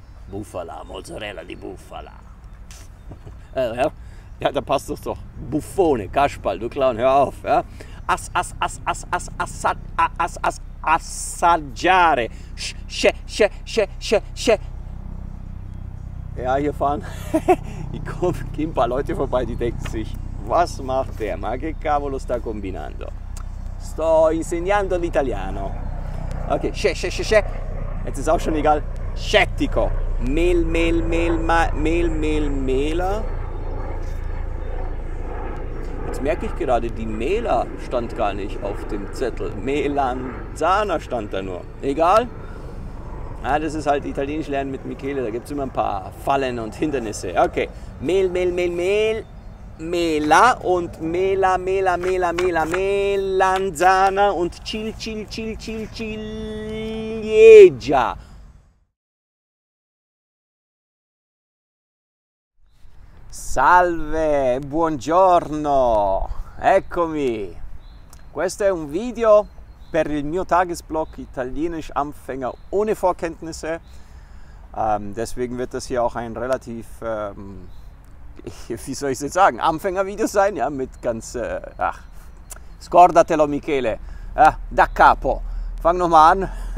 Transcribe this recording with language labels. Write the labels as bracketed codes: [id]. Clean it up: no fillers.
[it] Bufala, Mozzarella di Bufala. [de] Ja, da passt das doch. Buffone, Kasperl, du Clown, hör auf. Ja. As, as, as, as, as, as, as, as, assaggiare. Sche, sche, sche, sche, sche. Ja, hier fahren. Ich komm, gehen ein paar Leute vorbei, die denken sich, was macht der? [it] Ma che cavolo sta combinando? Sto insegnando l'italiano. Okay, sche, sche, sche, sche. Jetzt ist auch schon egal. Scettico. Mel, mel, mel, ma, mel, mel, mela. [de] Jetzt merke ich gerade, die Mela stand gar nicht auf dem Zettel. Melanzana stand da nur. Egal. Ah, das ist halt Italienisch lernen mit Michele, da gibt es immer ein paar Fallen und Hindernisse. Okay. Mel, mel, mel, mel, mela und mela, mela, mela, mela, melanzana und cil, cil, cil, cil, ciliegia. [it] Salve, buongiorno, eccomi. Questo è un video. Per il mio [de] Tagesblock Italienisch Anfänger ohne Vorkenntnisse. Deswegen wird das hier auch ein relativ, wie soll ich es jetzt sagen, Anfängervideo sein, ja, mit ganz, ach, [it] scordatelo Michele, da capo. [de] Fang nochmal an.